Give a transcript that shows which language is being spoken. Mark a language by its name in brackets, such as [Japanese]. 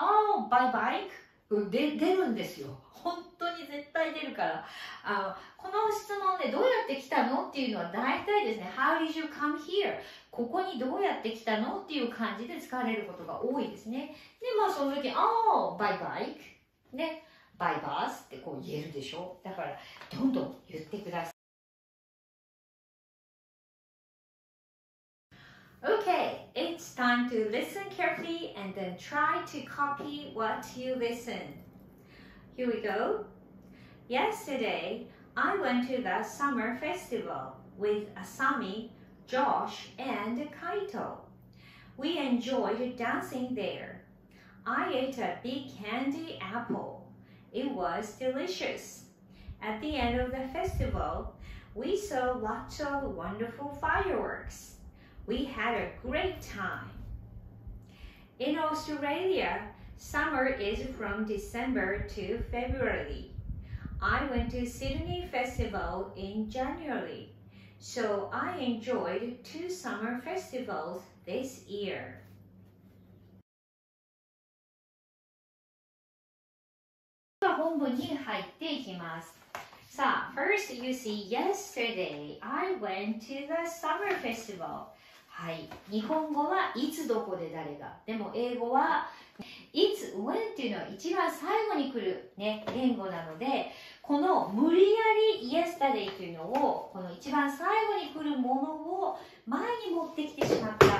[English] Oh, by bike [Japanese] で出るんですよ。本当に絶対出るから、あのこの質問でどうやって来たのっていうのは大体ですね、 [English] How did you come here? [Japanese] ここにどうやって来たのっていう感じで使われることが多いですね。でまあその時、 [English] Oh, by bike [Japanese] ね、 [English] by bus [Japanese] ってこう言えるでしょ。だからどんどん言ってください。 [English] OK, it's time to listen carefully and then try to copy what you listenHere we go. Yesterday, I went to the summer festival with Asami, Josh, and Kaito. We enjoyed dancing there. I ate a big candy apple. It was delicious. At the end of the festival, we saw lots of wonderful fireworks. We had a great time. In Australia,Summer is from December to February. I went to Sydney Festival in January, so I enjoyed two summer festivals this year. [Japanese] では本文に入っていきます。 [English] さあ、first you see yesterday I went to the summer festival. [Japanese] はい、日本語はいつどこで誰が、でも英語はいつ、when っていうのは一番最後に来る、ね、言語なので、この無理やり yesterday というのを、この一番最後に来るものを前に持ってきてしまった。